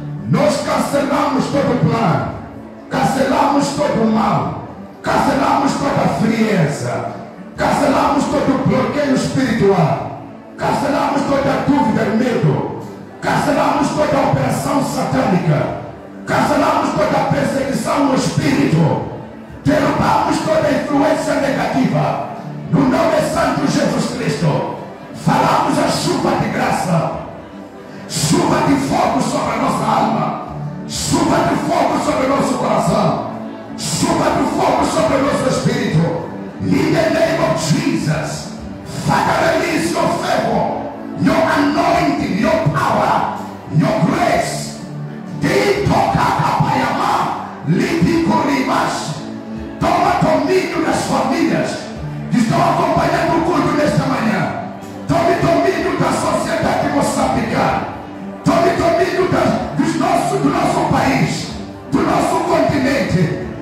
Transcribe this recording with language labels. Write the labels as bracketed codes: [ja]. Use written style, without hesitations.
[pt] Nós cancelamos todo o plano, cancelamos todo o mal, cancelamos toda a frieza, cancelamos todo o bloqueio espiritual, cancelamos toda a dúvida e medo, cancelamos toda a opressão satânica, cancelamos toda a perseguição no espírito, derrubamos toda a influência negativa, no nome santo de Jesus Cristo. Falamos a chuva de graça, chuva de fogo sobre a nossa alma, chuva de fogo sobre o nosso coração, chuva de fogo sobre o nosso espírito. [en] In the name of Jesus, Father, release your favor, your anointing, your power, your grace. Dito kakapayama, lipikurimas. [pt] Toma domínio das famílias que estão acompanhando o culto nesta manhã. Tome domínio da sociedade de Moçambique. Tome domínio do nosso país, do nosso continente.